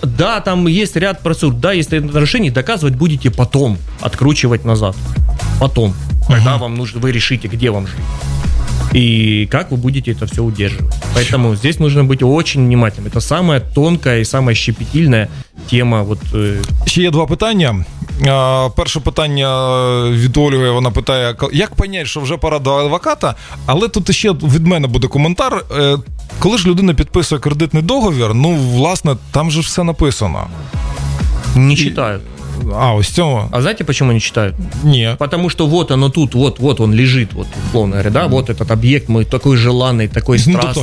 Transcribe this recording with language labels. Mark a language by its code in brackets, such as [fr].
[ru] Да, там есть ряд процедур. Да, если это нарушение, доказывать будете потом. Откручивать назад. Потом. Когда вам нужно, вы решите, где вам жить. И как вы будете это все удерживать. Поэтому здесь нужно быть очень внимательным. Это самая тонкая и самая щепетильная тема. Вот. [uk] Ще є два питання. Перше питання від Ольги, вона питає, як поняти, що вже пора до адвоката, але тут ще від мене буде коментар. Коли ж людина підписує кредитний договір, ну, власне, там же все написано. Не читаю. А, ось цього. [ru] А знаете, почему не читают? Нет. Потому что вот оно тут, вот он лежит, вот, условно говоря, да, вот этот объект мой, такой желанный, такой страстный, ну,